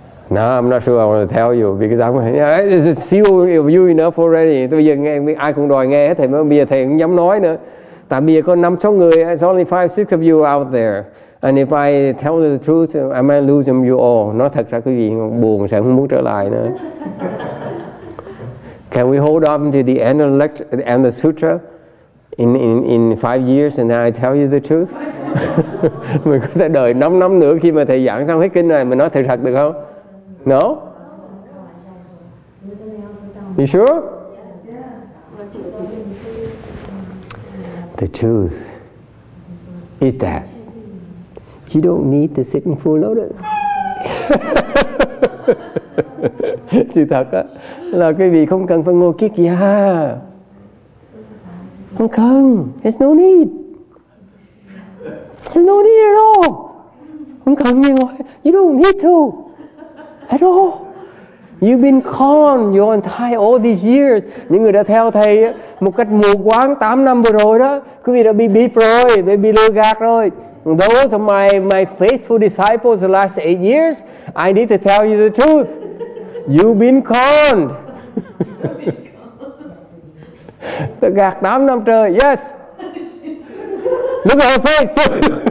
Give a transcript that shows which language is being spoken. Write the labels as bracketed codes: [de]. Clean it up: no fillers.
[en] No, I'm not sure I want to tell you because I'm there's a few of you enough already. [vi] Tôi giờ nghe ai cũng đòi nghe hết thầy, mà bây giờ thầy cũng dám nói nữa. Tại bây giờ có 5-6 người, [en] it's only 5-6 of you out there. And if I tell the truth, I might lose you all. [vi] Nói thật ra quý vị buồn sẽ không muốn trở lại nữa. [en] Can we hold on to the end of the lecture and the sutra in 5 years and then I tell you the truth? [vi] Mình có thể đợi 5 năm nữa khi mà thầy giảng xong hết kinh này mình nói thật thật được không? [en] No? You sure? The truth is that you don't need to sit in full lotus. [vi] Sự thật á là quý vị không cần phải ngồi kiết già. Không cần. [en] There's no need. There's no need at all. [vi] Không cần gì ngồi. [en] You don't need to. At all. You've been conned your entire all these years. [vi] Những người đã theo thầy một cách mù quáng 8 năm vừa rồi đó, quý vị đã bị bịp rồi, đã bị lừa gạt rồi. [en] Those are my faithful disciples the last 8 years. I need to tell you the truth. You've been conned. [vi] Tôi gạt 8 năm trời, [en] yes. Look at her face.